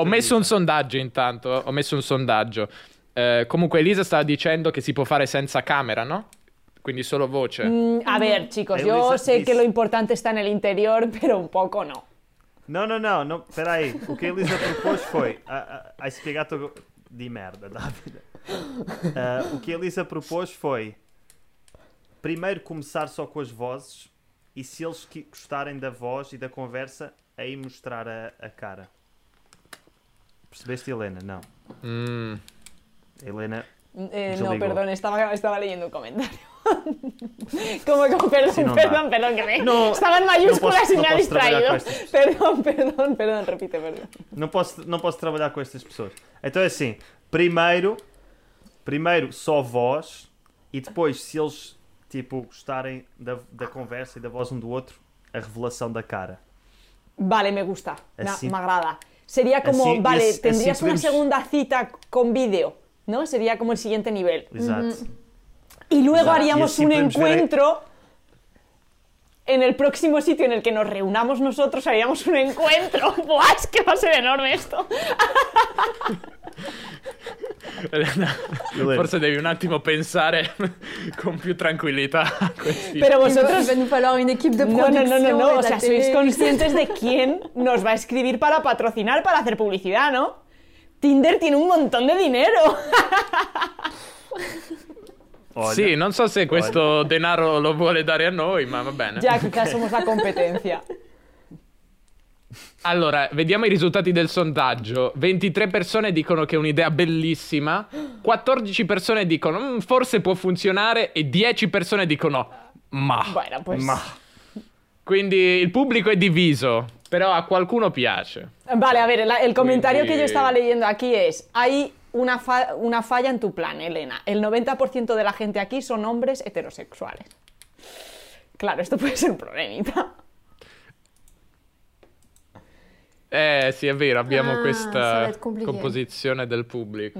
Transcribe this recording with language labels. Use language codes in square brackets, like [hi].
[it] Ho messo Lisa. Un sondaggio intanto. Ho messo un sondaggio. Comunque, Elisa stava dicendo che si può fare senza camera, no? Quindi solo voce. [es] A ver, chicos, [it] io sé che lo importante sta nell'interior, però un poco no. [pt] No, peraí. O che Elisa propôs foi... [it] Hai spiegato di merda, Davide. [pt] O che Elisa propôs foi... Primeiro começar só com as vozes e se eles gostarem da voz e da conversa, aí mostrar a cara. Percebeste, Helena? Não. Helena, [es] No, perdón, estaba leyendo un comentario. Como perdón, sí, no, perdón, perdón, que me... no, estaba en mayúsculas no y me ha distraído. Perdón, perdón, perdón, repite, perdón. [pt] Não posso trabalhar com estas pessoas. Então é assim, primeiro só voz e depois, se eles tipo gostarem da conversa e da voz um do outro, a revelação da cara. [es] Vale, me gusta, assim, me agrada. [pt] Seria como, assim, vale, assim, tendrías assim podemos... uma segunda cita com vídeo, não? Seria como o seguinte nível. Exato. [es] Y luego ya, haríamos y un encuentro en el próximo sitio en el que nos reunamos nosotros, haríamos un encuentro. ¡Buah! Es que va a ser enorme esto. [it] No, forse devi un attimo pensare con più tranquillità. [es] Pero vosotros... No. O sea, ¿sois conscientes de quién nos va a escribir para patrocinar, para hacer publicidad, no? Tinder tiene un montón de dinero. [pt] Olha. [es] Sí, no sé si este [it] denaro lo vuole dare a noi, ma va bene. [es] Ya, acá somos la competencia. [it] Allora, vediamo i risultati del sondaggio. 23 persone dicono che è un'idea bellissima, 14 persone dicono forse può funzionare e 10 persone dicono ma. [es] Bueno, pues... ma. [it] Quindi il pubblico è diviso, però a qualcuno piace. [es] Vale, a ver, el comentario quindi... que yo estaba leyendo aquí es: hay una falla en tu plan, Elena. El 90% de la gente aquí son hombres heterosexuales. Claro, esto puede ser un problemita. Sí, es verdad, tenemos esta composición del público.